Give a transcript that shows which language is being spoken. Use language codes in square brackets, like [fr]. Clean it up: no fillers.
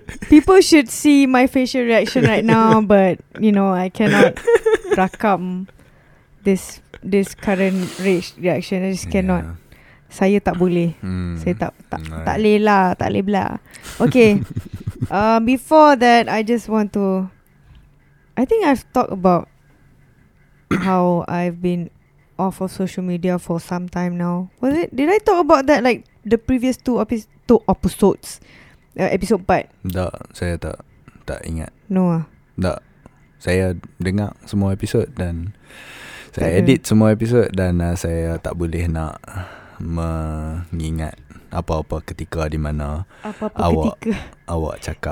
[en] People should see my facial reaction right now, but you know I cannot rakam this current rage reaction. I just cannot. Yeah. [ms] Saya tak boleh. Saya tak boleh lah, tak boleh lah. [en] Okay. Before that, I just want to. I think I've talked about how I've been off of social media for some time now. Was it? Did I talk about that like the previous two episodes? Episode 4. [ms] Tak, saya tak ingat. [en] No ah. [ms] Tak. Saya dengar semua episod dan saya edit semua episod dan saya tak boleh nak mengingat apa-apa ketika di mana awak cakap.